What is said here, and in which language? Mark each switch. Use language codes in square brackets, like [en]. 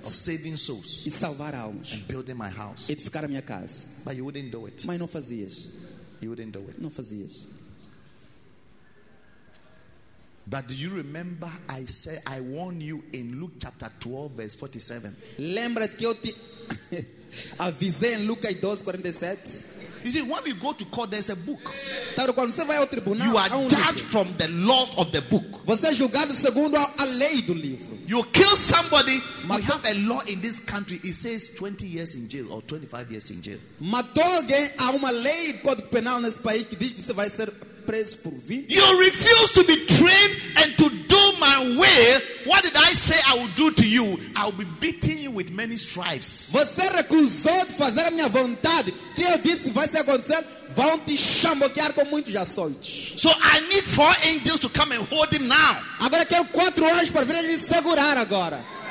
[en] Of saving souls. [pt] E salvar almas. [en] And building my house. [pt] Edificar a minha casa. [en] But you wouldn't do it. [pt] Mas não fazias. [en] You wouldn't do it. [pt] Não fazias. [en] But do you remember I said I warned you in Luke chapter 12 verse 47? [pt] Lembra-te que eu te avisei em Lucas 12, 47? [en] You see, when we go to court, there's a book. [pt] Quando você vai ao tribunal, [en] you are judged from the laws of the book. [pt] Você é julgado segundo a lei do livro. [en] You kill somebody, matou, we have a law in this country. It says 20 years in jail or 25 years in jail. [pt] Matou alguém, há uma lei do Código Penal nesse país que diz que você vai ser preso por 20. [en] You refuse to be trained and to do my will. What did I say I will do to you? I will be beating you with many stripes. [pt] Você recusou de fazer a minha vontade. Que eu disse que vai acontecer? Vão te chamboquear com muitos açoites. [en] So I need 4 angels to come and hold him now. [pt] Agora quero 4 anjos para vir ele segurar agora.